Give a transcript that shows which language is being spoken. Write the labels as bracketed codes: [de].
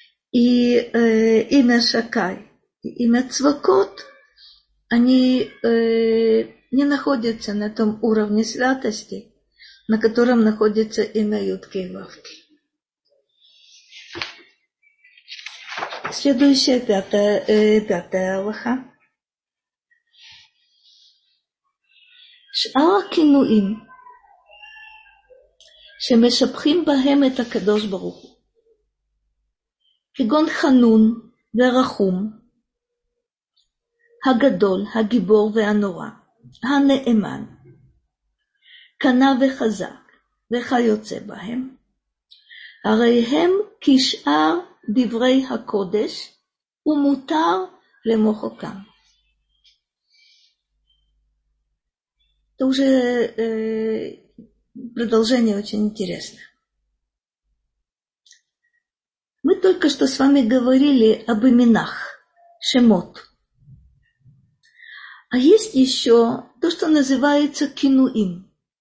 [ru] И имя Шакай, и имя Цвакот, они не находятся на том уровне святости, на котором находится имя Юткей Вавки. Следующая, пятая аллаха. [he] שאר הכינויים שמשבחים בהם את הקדוש ברוך הוא, כגון חנון ורחום, הגדול, הגיבור והנורא, הנאמן, קנה וחזק וכיוצא בהם, הרי הם כשאר דברי הקודש ומותר למוחקם. [ru] Это уже продолжение очень интересное. Мы только что с вами говорили об именах, шемот. А есть еще то, что называется кинуим.